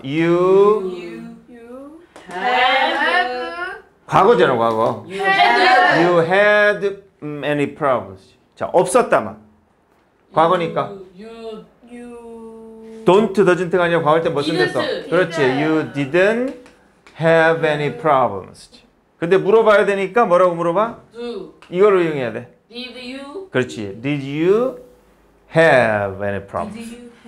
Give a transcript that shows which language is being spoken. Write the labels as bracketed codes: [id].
[en] you had [ko] 과거잖아, 과거. [en] You had any problems. [ko] 자, 없었다만. 과거니까. [en] You don't, doesn't [ko] 가 아니라 과거일 때 무슨 됐어? 그렇지. [en] You didn't have any problems. [ko] 근데 물어봐야 되니까 뭐라고 물어봐? [en] Do. [ko] 이걸로 이용해야 돼. [en] Did you? [ko] 그렇지. [en] Did you have any problems?